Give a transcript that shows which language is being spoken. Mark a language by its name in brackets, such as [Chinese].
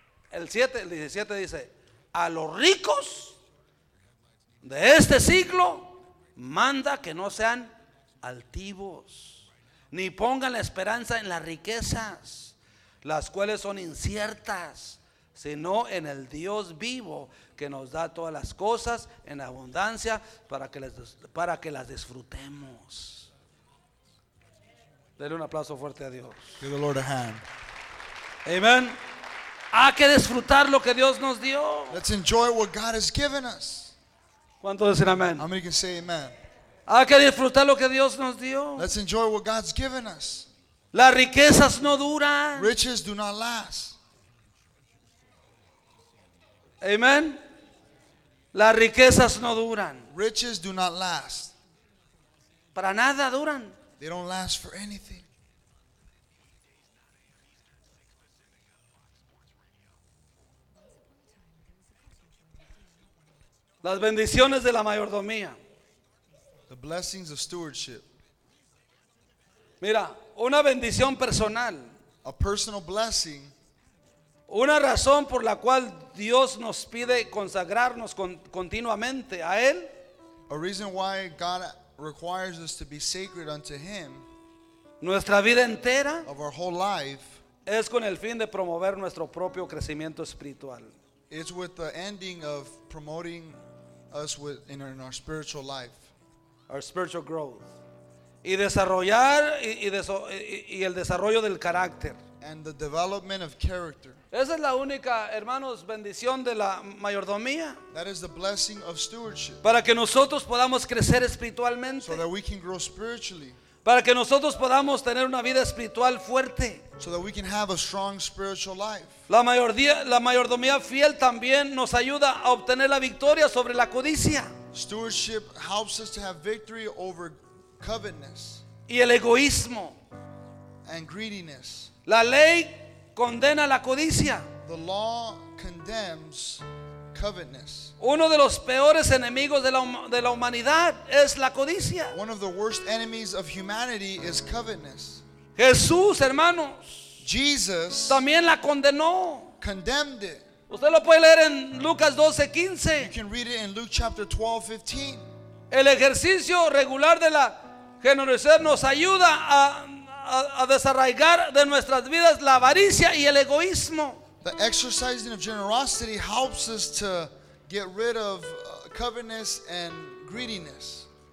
[Spanish] El 17 dice: a los ricos de este siglo manda que no sean altivos, ni pongan la esperanza en las riquezas, las cuales son inciertas, sino en el Dios vivo, que nos da todas las cosas en abundancia para que las disfrutemos. Dele un aplauso fuerte a Dios. [English] Give the Lord a hand. Amen. [Spanish] Hay que disfrutar lo que Dios nos dio. [English] Let's enjoy what God has given us. [Spanish] ¿Cuántos dicen amén? [English] How many can say amen? [Spanish] Hay que disfrutar lo que Dios nos dio. [English] Let's enjoy what God's given us. [Spanish] Las riquezas no duran. [English] Riches do not last. [Spanish] Amen. Las riquezas no duran. [English] Riches do not last. [Spanish] Para nada duran. [English] They don't last for anything. [Spanish] Las bendiciones de la mayordomía. [English] The blessings of stewardship. [Spanish] Mira, una bendición personal. [English] A personal blessing. [Spanish] Una razón por la cual Dios nos pide consagrarnos continuamente a Él. [English] A reason why God requires us to be sacred unto Him. [Spanish] Nuestra vida entera. [English] Of our whole life. [Spanish] Es con el fin de promover nuestro propio crecimiento espiritual. [English] It's with the ending of promoting us with, in our spiritual life. Our spiritual growth. [Spanish] Y desarrollar y el desarrollo del carácter. [English] And the development of character. [Spanish] Esa es la única, hermanos, bendición de la mayordomía. [English] That is the blessing of stewardship. [Spanish] Para que nosotros podamos crecer espiritualmente. [English] So that we can grow spiritually. [Spanish] Para que nosotros podamos tener una vida espiritual fuerte. [English] So that we can have a strong spiritual life. [Spanish] La mayordomía fiel también nos ayuda a obtener la victoria sobre la codicia. [English] Stewardship helps us to have victory over covetousness. [Spanish] Y el egoísmo. [English] And greediness. [Spanish] La ley condena la codicia. [English] The law condemns covetousness. [Spanish] Uno de los peores enemigos de la humanidad es la codicia. [English] One of the worst enemies of humanity is covetousness. [Spanish] Jesús, hermanos, [English] Jesus [Spanish] también la condenó. [English] Condemned it. [Spanish] Usted lo puede leer en Lucas 12:15. [English] You can read it in Luke chapter 12:15. [Spanish] El ejercicio regular de la generosidad nos ayuda a desarraigar de nuestras vidas la avaricia y el egoísmo. [English] The exercising of generosity helps us to get rid of covetousness and greediness.